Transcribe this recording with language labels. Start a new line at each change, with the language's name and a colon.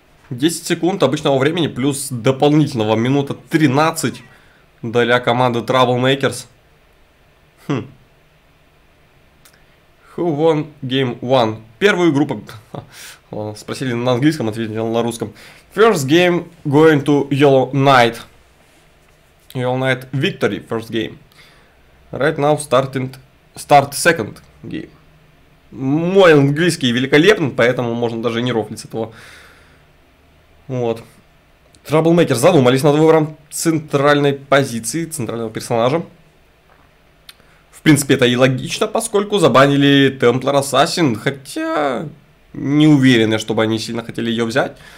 Russian: 10 секунд обычного времени плюс дополнительного минута 13 для команды Траблмейкерс.
English: Who won game one?
Russian: Первую группу... Спросили на английском, ответили на русском.
English: First game going to Yellow Knight. Yellow Knight victory first game. Right now start second game.
Russian: Мой английский великолепен, поэтому можно даже не рофлить с этого. Вот. Траблмейкер задумались над выбором центральной позиции, центрального персонажа. В принципе, это и логично, поскольку забанили Темплар Ассасин, хотя не уверены, чтобы они сильно хотели ее взять.